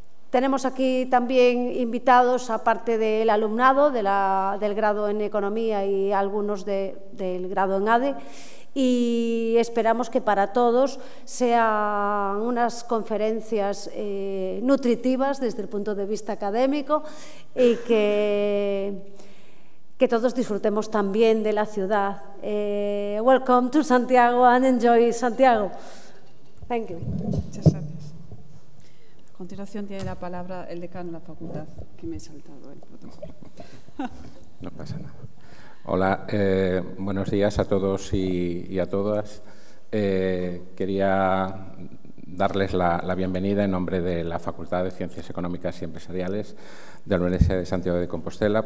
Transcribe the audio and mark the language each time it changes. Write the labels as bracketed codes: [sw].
[es] Tenemos aquí también invitados, aparte del alumnado del grado en Economía y algunos del grado en ADE, y esperamos que para todos sean unas conferencias nutritivas desde el punto de vista académico y que todos disfrutemos también de la ciudad. [en] Welcome to Santiago and enjoy Santiago. Thank you. [es] Muchas gracias. A continuación tiene la palabra el decano de la facultad, que me he saltado el protocolo. No pasa nada. Hola, buenos días a todos y a todas. Quería darles la bienvenida en nombre de la Facultad de Ciencias Económicas y Empresariales de la Universidad de Santiago de Compostela.